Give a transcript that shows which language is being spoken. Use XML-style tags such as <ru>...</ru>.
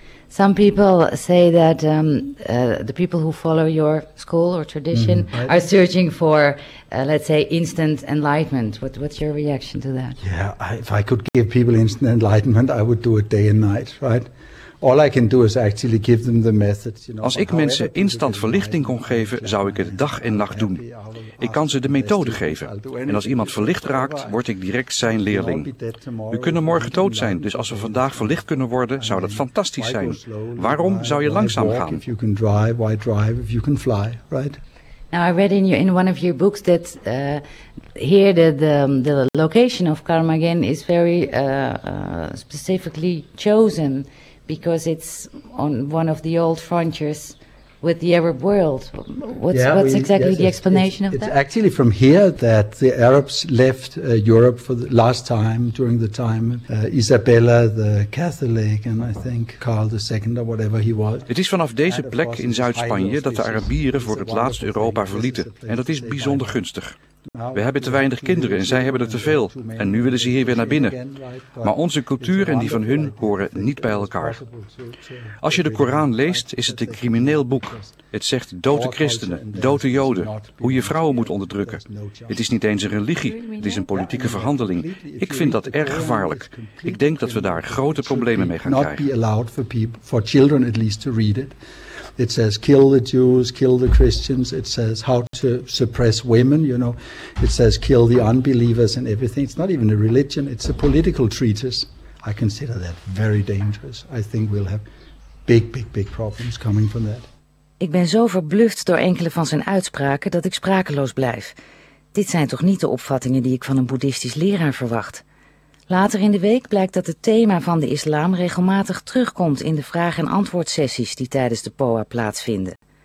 <en>Some people say that the people who follow your school or tradition are searching for, let's say, instant enlightenment. What's your reaction to that? Yeah, if I could give people instant enlightenment, I would do it day and night, right? All I can do is actually give them the methods.</en> <nl>Als ik mensen instant verlichting kon geven, zou ik het dag en nacht doen. Ik kan ze de methode geven. En als iemand verlicht raakt, word ik direct zijn leerling. U kunt morgen dood zijn, dus als we vandaag verlicht kunnen worden, zou dat fantastisch zijn. Waarom zou je langzaam gaan?</nl> <en>If you can drive, why drive if you can fly, right? Now I read in one of your books that here the location of Carmageddon is very specifically chosen. Because it's on one of the old frontiers with the Arab world. What's the explanation of that? It's actually from here that the Arabs left Europe for the last time during the time of Isabella the Catholic and I think Karl II or whatever he was.</en> <nl>Het is vanaf deze plek in Zuid-Spanje dat de Arabieren voor het laatst Europa verlieten. En dat is bijzonder gunstig. We hebben te weinig kinderen en zij hebben er te veel. En nu willen ze hier weer naar binnen. Maar onze cultuur en die van hun horen niet bij elkaar. Als je de Koran leest, is het een crimineel boek. Het zegt dode christenen, dode joden, hoe je vrouwen moet onderdrukken. Het is niet eens een religie, het is een politieke verhandeling. Ik vind dat erg gevaarlijk. Ik denk dat we daar grote problemen mee gaan krijgen. Het moet niet</nl> <en>allowed for people, for children at least to read it. It says kill the Jews, kill the Christians. It says how to suppress women, you know. It says kill the unbelievers and everything. It's not even a religion, it's a political treatise. I consider that very dangerous. I think we'll have big, big, big problems coming from that.</en> <nl>Ik ben zo verbluft door enkele van zijn uitspraken dat ik sprakeloos blijf. Dit zijn toch niet de opvattingen die ik van een boeddhistisch leraar verwacht. Later in de week blijkt dat het thema van de islam regelmatig terugkomt in de vraag- en antwoordsessies die tijdens de POA plaatsvinden.</nl>